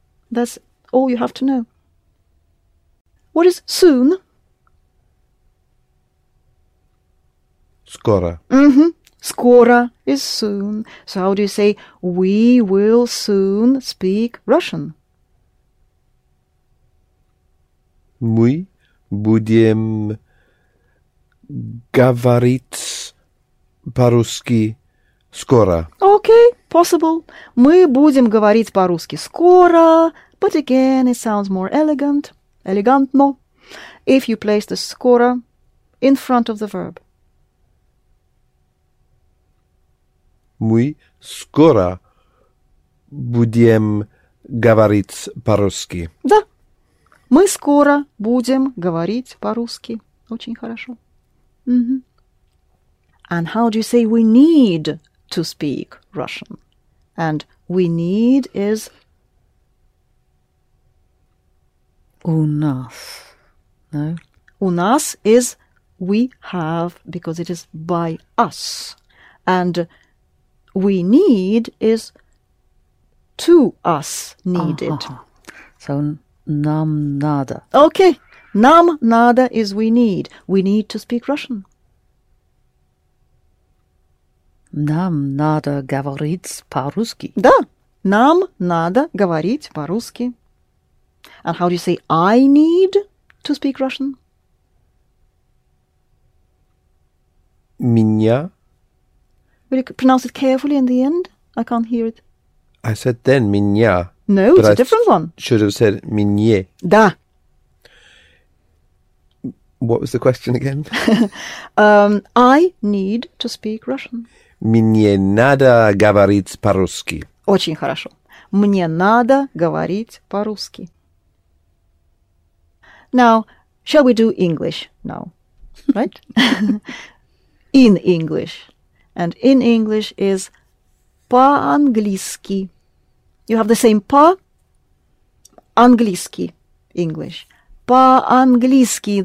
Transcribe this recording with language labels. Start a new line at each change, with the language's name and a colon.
English: That's all you have to know. What is soon?
Russian: Скоро. Mm-hmm.
English: Скоро is soon. So how do you say we will soon speak Russian?
Russian: Мы будем говорить по-русски скоро.
English: Okay, possible.
Russian: Мы будем говорить по-русски скоро.
English: But again, it sounds more elegant.
Russian: Элегантно.
English: If you place the скоро in front of the verb.
Russian: Мы скоро будем говорить по-русски. Да. Мы скоро будем говорить по-русски. Очень хорошо. Mm-hmm.
English: And how do you say we need to speak Russian? And we need is...
Russian: У нас. No? У нас
English: is we have, because it is by us. And we need is to us needed. Uh-huh. So,
Russian: нам надо.
English: Okay.
Russian: Нам надо
English: is we need. We need to speak Russian.
Russian: Нам надо говорить по-русски. Да. Нам надо говорить по-русски.
English: And how do you say I need to speak Russian?
Russian: Меня.
English: Will you pronounce it carefully in the end? I can't hear it. I said then меня. No, it's a different one. Should have said мне.
Russian: Да.
English: What was the question again? I need to speak Russian.
Russian: Мне надо говорить по-русски. Очень хорошо. Мне надо говорить по-русски.
English: Now, shall we do English now? Right? In English. And in English is по-английски. You have the same по?
Russian: Английски. English. По-английски.